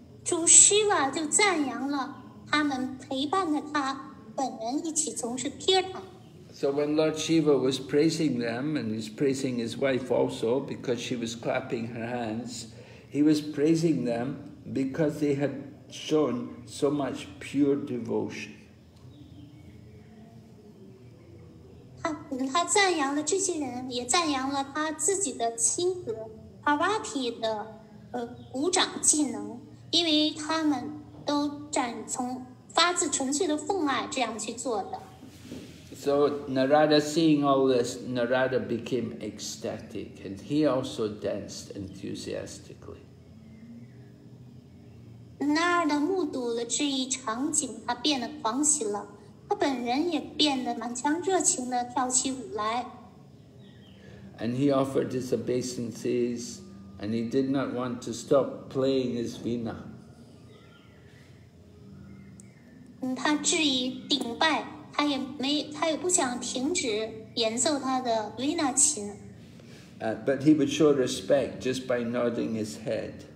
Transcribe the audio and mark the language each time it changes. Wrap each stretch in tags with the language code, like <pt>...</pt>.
<zh>Lord Shiva 就赞扬了他们陪伴着他本人一起从事 kirtan。</zh> <en>So when Lord Shiva was praising them, and he was praising his wife also because she was clapping her hands, he was praising them because they had shown so much pure devotion.</en> <zh>He 赞扬了这些人，也赞扬了他自己的妻子 Parvati 的鼓掌技能，因为他们都展从发自纯粹的奉爱这样去做的。</zh> <en>So Narada, seeing all this, Narada became ecstatic, and he also danced enthusiastically.</en> <zh>Narada 目睹了这一场景，他变得狂喜了，他本人也变得满腔热情地跳起舞来。</zh> <en>And he offered his obeisances, and he did not want to stop playing his Vina.</en> <zh>他致以顶拜，他也不想停止演奏他的维纳琴。</zh> <en>But he would show respect just by nodding his head.</en>